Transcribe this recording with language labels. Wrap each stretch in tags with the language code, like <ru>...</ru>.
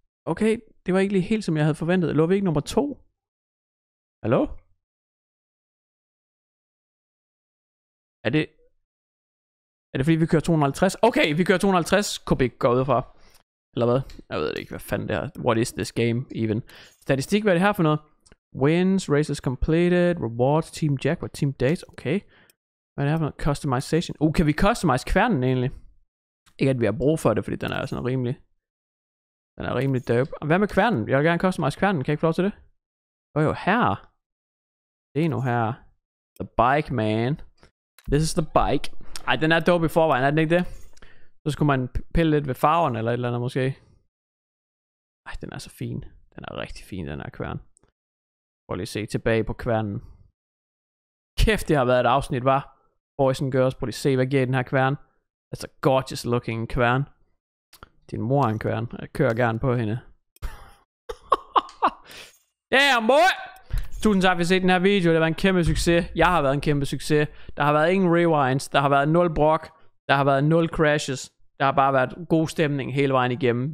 <da>Okay, det var ikke lige helt, som jeg havde forventet. Lå vi ikke nummer to? Hallo? Er det fordi, vi kører 250? Okay, vi kører 250. Kubik går ud fra. Eller hvad? Jeg ved ikke, hvad fanden det er.</da> <en>What is this game, even?</en> <da>Statistik, hvad er det her for noget?</da> <en>Wins, races completed, rewards, team jackpot, team days.</en> <da>Okay. Hvad er det her for noget? Customization. Kan vi customize kværnen egentlig? Ikke, at vi har brug for det, fordi den er sådan rimelig. Den er rimelig dope. Hvad med kværnen? Jeg vil gerne customize kværnen. Kan jeg ikke få lov til det? Det er jo her. Det er nu her.</da> <en>The bike, man. This is the bike.</en> <da>Ej, den er dope i forvejen, er den ikke det? Så skulle man pille lidt ved farven eller et eller andet måske. Ej, den er så fin. Den er rigtig fin, den her kværn. Prøv lige at se tilbage på kværnen. Kæft, det har været et afsnit, hva?</da> <en>Boys and girls,</en> <da>prøv lige at se, hvad giver den her kværn.</da> <en>That's a gorgeous looking kværn.</en> <da>Din mor er en kværn. Jeg kører gerne på hende.</da> <en>Damn, boy!</en> <da>Tusind tak, at vi har set den her video. Det var en kæmpe succes. Jeg har været en kæmpe succes. Der har været ingen rewinds. Der har været nul brok. Der har været nul crashes. Der har bare været god stemning hele vejen igennem.</da>